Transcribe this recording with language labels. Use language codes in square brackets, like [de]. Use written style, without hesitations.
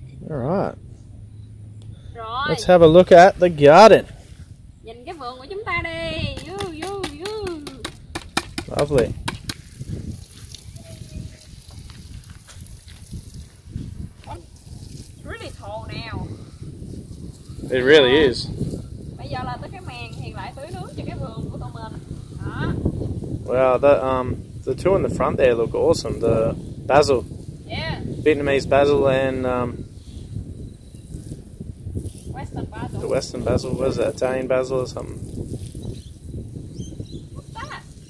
[en] Alright. Let's have a look at the garden. [vi] Nhìn cái vườn của chúng ta đi. [en] You. Lovely. It's really tall now. It really is. [vi] Bây giờ là tới cái màn thì lại tưới nước cho cái vườn của tụi mình. [en] Wow, the two in the front there look awesome. The basil. Yeah. Vietnamese basil and Western basil. The Western basil. What is that? Italian basil or something? What's that?